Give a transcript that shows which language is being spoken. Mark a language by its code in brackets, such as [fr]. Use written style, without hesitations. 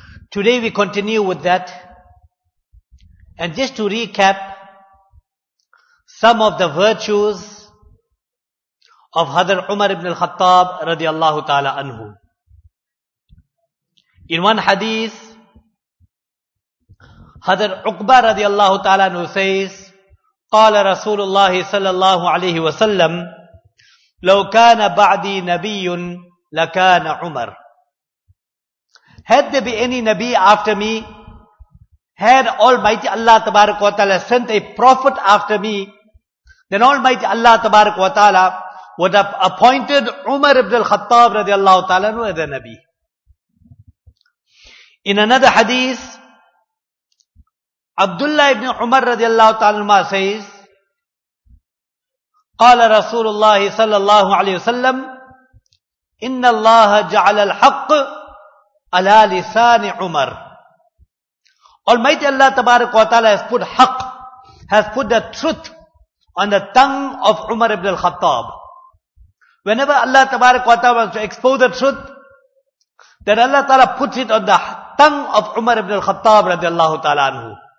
[en] Today we continue with that, and just to recap some of the virtues of Hazrat Umar ibn al-Khattab radiallahu ta'ala anhu. In one hadith, Hazrat Uqba radiallahu ta'ala anhu says, [ar] قال رسول الله صلى الله عليه وسلم لو كان بعدي نبي لكان عمر. [en] Had there been any Nabi after me, had Almighty Allah Tabarak wa Ta'ala sent a prophet after me, then Almighty Allah Tabarak wa Ta'ala would have appointed Umar ibn al-Khattab radiallahu ta'ala anhu as a Nabi. In another hadith, Abdullah ibn Umar radiallahu ta'ala anhu says, [ar] قَالَ رَسُولُ اللَّهِ صَلَّى اللَّهُ عَلَيْهِ وَسَلَّمْ إِنَّ اللَّهَ جَعَلَ الْحَقِّ عَلَى لِسَانِ عُمَرِ. [en] Almighty Allah Tabarak wa Ta'ala has put haqq, has put the truth on the tongue of Umar ibn al-Khattab. Whenever Allah Tabarak wa Ta'ala wants to expose the truth, then Allah Ta'ala puts it on the tongue of Umar ibn al-Khattab radiallahu ta'ala anhu.